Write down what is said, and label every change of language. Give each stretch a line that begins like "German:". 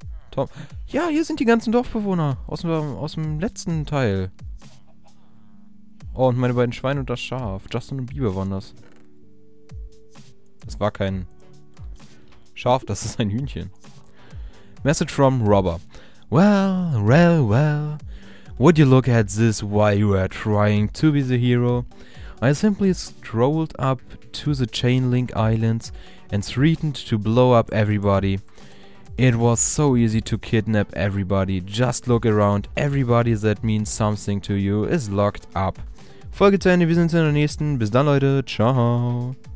German: Tom. Ja, hier sind die ganzen Dorfbewohner. Aus dem letzten Teil. Oh, und meine beiden Schweine und das Schaf. Justin und Bieber waren das. Das war kein Schaf, das ist ein Hühnchen.
English: Message from Robber. Well, would you look at this while you are trying to be the hero? I simply strolled up to the Chainlink Islands and threatened to blow up everybody. It was so easy to kidnap everybody. Just look around. Everybody that means something to you is locked up
German: Folge zu Ende, wir sehen uns in der nächsten. Bis dann, Leute. Ciao.